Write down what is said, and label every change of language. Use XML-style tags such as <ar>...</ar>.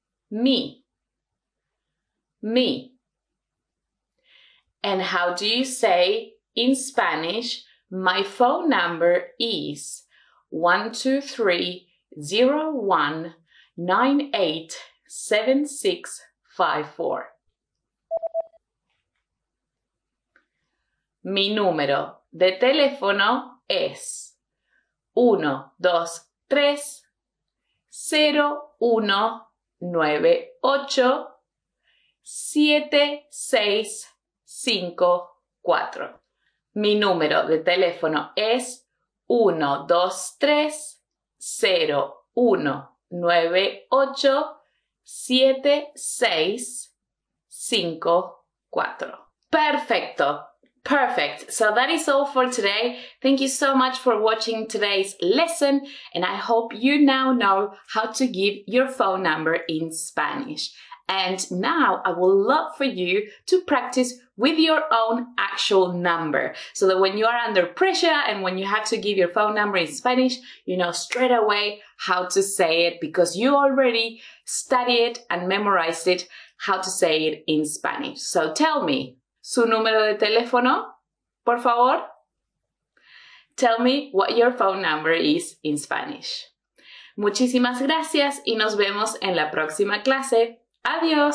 <en>Me. Me. And how do you say in Spanish, my phone number is 123-01-987654.</en> <es>Mi número de teléfono es 1-2-3-0-1-9-8-7-6-5-4. Mi número de teléfono es 1-2-3-0-1-9-8-7-6-5-4. Perfecto!</es> <en>Perfect. So that is all for today. Thank you so much for watching today's lesson, and I hope you now know how to give your phone number in Spanish. And now I would love for you to practice with your own actual number, so that when you are under pressure and when you have to give your phone number in Spanish, you know straight away how to say it, because you already studied it and memorized it, how to say it in Spanish. So tell me,</en> <es>su número de teléfono, por favor.</es> <en>Tell me what your phone number is in Spanish.</en> <es>Muchísimas gracias y nos vemos en la próxima clase. Adiós.</es>